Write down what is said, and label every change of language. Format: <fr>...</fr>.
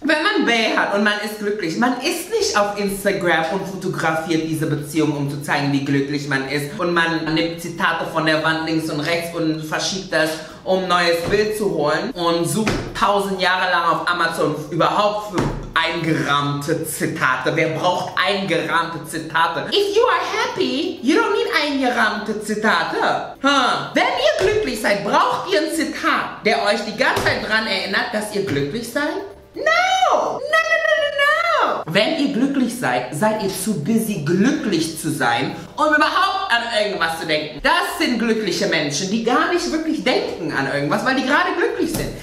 <de>Wenn man Bae hat und man ist glücklich, man ist nicht auf Instagram und fotografiert diese Beziehung, um zu zeigen, wie glücklich man ist. Und man nimmt Zitate von der Wand links und rechts und verschiebt das, um ein neues Bild zu holen. Und sucht 1000 Jahre lang auf Amazon überhaupt für eingerahmte Zitate. Wer braucht eingerahmte Zitate?</de> <en>If you are happy, you don't need</en> <de>eingerahmte Zitate. Huh. Wenn ihr glücklich seid, braucht ihr ein Zitat, der euch die ganze Zeit daran erinnert, dass ihr glücklich seid? No! No! Wenn ihr glücklich seid, seid ihr zu busy, glücklich zu sein, um überhaupt an irgendwas zu denken. Das sind glückliche Menschen, die gar nicht wirklich denken an irgendwas, weil die gerade glücklich sind.</de>